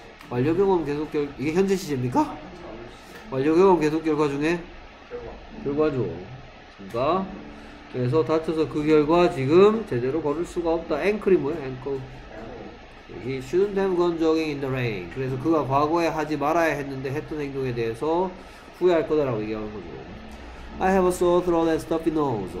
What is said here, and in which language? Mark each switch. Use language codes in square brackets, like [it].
[ko] 완료 경험 계속 결 이게 현재 시제입니까? 완료 경험 계속 결과 중에 결과죠. 그러니까 그래서 다쳐서 그 결과 지금 제대로 걸을 수가 없다. Ankle이 뭐야? Ankle. [en] He shouldn't have gone jogging in the rain. [ko] 그래서 그가 과거에 하지 말아야 했는데 했던 행동에 대해서 후회할 거다라고 얘기하는 거죠. [en] I have a sore throat and stuffy nose.